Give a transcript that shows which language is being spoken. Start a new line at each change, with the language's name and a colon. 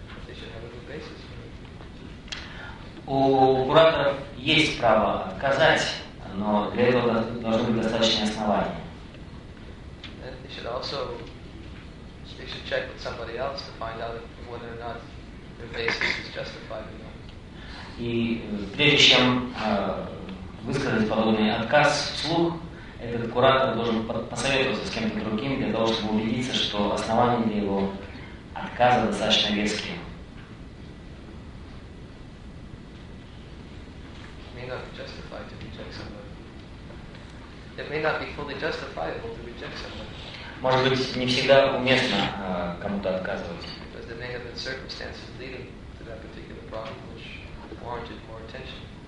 English: They should have a good basis for it.
Russian: У кураторов есть право отказать, но для этого должны быть достаточные основания.
English: And they should check with somebody else to find out whether or not their basis is justified or not.
Russian: И прежде чем высказать подобный отказ вслух, этот куратор должен посоветоваться с кем-то другим для того, чтобы убедиться, что основания для его отказа достаточно веские.
English: Мина, justify to reject somebody. It may not be fully justifiable to reject somebody.
Russian: Может быть, не всегда уместно кому-то отказывать.
English: But there may have been circumstances leading to that particular problem which warranted more attention.